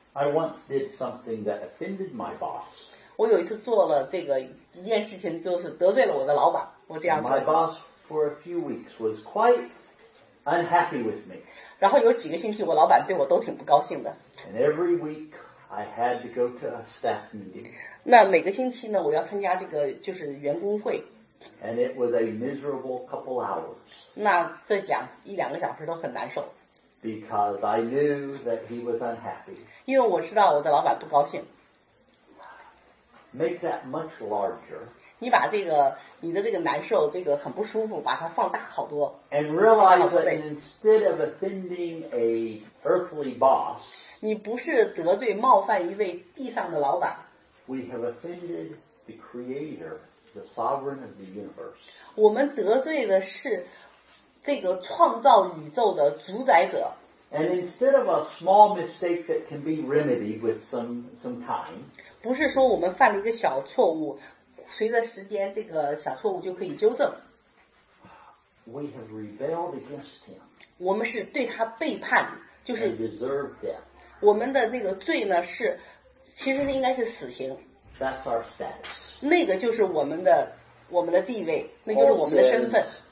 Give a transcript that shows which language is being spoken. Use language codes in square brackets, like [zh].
[en] I once did something that offended my boss. [zh] 我有一次做了这个一件事情，就是得罪了我的老板。我这样做。 [en] My boss for a few weeks was quite unhappy with me. [zh] 然后有几个星期，我老板对我都挺不高兴的。 [en] And every week I had to go to a staff meeting. [zh] 那每个星期呢，我要参加这个就是员工会。 [en] And it was a miserable couple hours. [zh] 那这讲一两个小时都很难受。 [en] Because I knew that he was unhappy. [zh] 因为我知道我的老板不高兴。 [en] Make that much larger. [zh] 你把这个你的这个难受，这个很不舒服，把它放大好多。 [en] And realize that instead of offending a earthly boss, [zh] 你不是得罪冒犯一位地上的老板。 [en] We have offended the Creator, the Sovereign of the Universe. [zh] 我们得罪的是这个创造宇宙的主宰者。 [en] And instead of a small mistake that can be remedied with some time, [zh] 不是说我们犯了一个小错误，随着时间这个小错误就可以纠正。 [en] We have rebelled against him. [zh] 我们是对他背叛，就是 [en] And deserve death. [zh] 我们的那个罪呢是，其实应该是死刑。 [en] That's our status. [zh] 那个就是我们的地位，那就是我们的身份。